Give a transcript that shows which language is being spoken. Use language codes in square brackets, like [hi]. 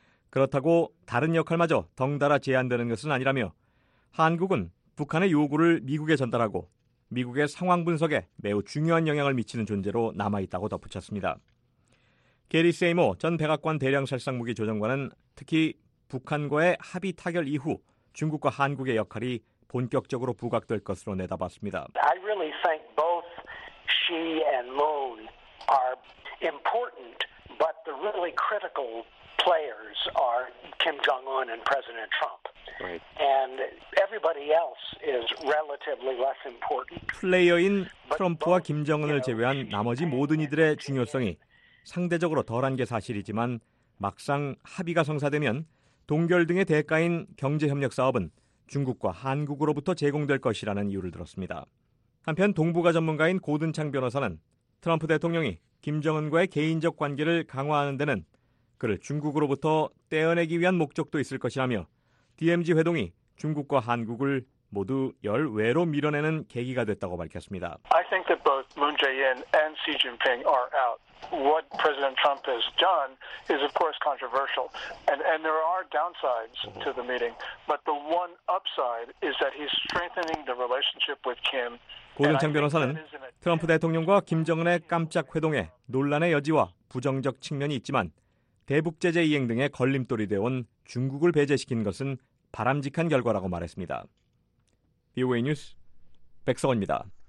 [ko] 그렇다고 다른 역할마저 덩달아 제한되는 것은 아니라며 한국은 북한의 요구를 미국에 전달하고 미국의 상황 분석에 매우 중요한 영향을 미치는 존재로 남아있다고 덧붙였습니다. 게리 세이모 전 백악관 대량살상무기 조정관은 특히 북한과의 합의 타결 이후 중국과 한국의 역할이 본격적으로 부각될 것으로 내다봤습니다. [en] I really think both Xi and Moon are important, but the really critical players are Kim Jong-un and President Trump. Right. And everybody else is relatively less important. [ko] 플레이어인 트럼프와 김정은을 제외한 나머지 모든 이들의 중요성이 상대적으로 덜한 게 사실이지만 막상 합의가 성사되면 동결 등의 대가인 경제협력 사업은 중국과 한국으로부터 제공될 것이라는 이유를 들었습니다. 한편 동북아 전문가인 고든창 변호사는 트럼프 대통령이 김정은과의 개인적 관계를 강화하는 데는 그를 중국으로부터 떼어내기 위한 목적도 있을 것이라며 DMZ 회동이 중국과 한국을 모두 열외로 밀어내는 계기가 됐다고 밝혔습니다. [en] I think that both Moon Jae-in and Xi Jinping are out. What President Trump has done is, of course, controversial, and there are downsides to the meeting. But the one upside is that he's strengthening the relationship with Kim. [ko] 고등창 변호사는 트럼프 대통령과 김정은의 깜짝 회동에 논란의 여지와 부정적 측면이 있지만 대북 제재 이행 등의 걸림돌이 되어온 중국을 배제시킨 것은 바람직한 결과라고 말했습니다. VOA 뉴스 백성원입니다.